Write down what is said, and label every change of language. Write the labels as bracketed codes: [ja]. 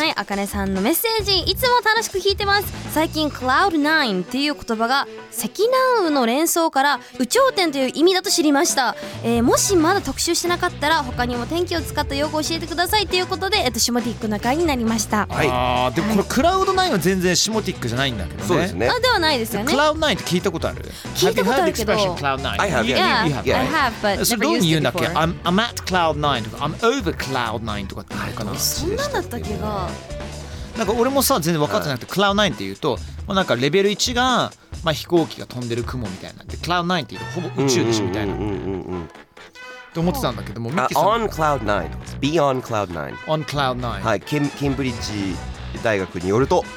[ja] はい、あかねさんのメッセージ、いつも楽しく聞いてます。最近 Cloud9 っていう言葉が積乱雲の連想から宇宙天という意味だと知りました、もしまだ特集してなかったら他にも天気を使った用語を教えてくださいということで、シモティックな会になりました。はい、あ、でもこれ Cloud9 は全然シモティックじゃないんだけどね。そうですね。あ、ではないですよね。 Cloud9 って聞いたことある？聞いたことあるけど。 [en] I have, but never used it before. I'm at Cloud9 [ja] とか [en] I'm over Cloud9 [ja] とかって言うかな。そんなんだった気が。なんか俺もさ、全然分かってなくて、はい、Cloud9 って言うと、まあ、なんかレベル1が、まあ、飛行機が飛んでる雲みたいな、で Cloud9 って言うとほぼ宇宙でしょみたいなと思ってたんだけども、ミッキーさん、 [en] On Cloud9、 Be On Cloud9、 On Cloud9、 [ja] はい、ケンブリッジ大学によると、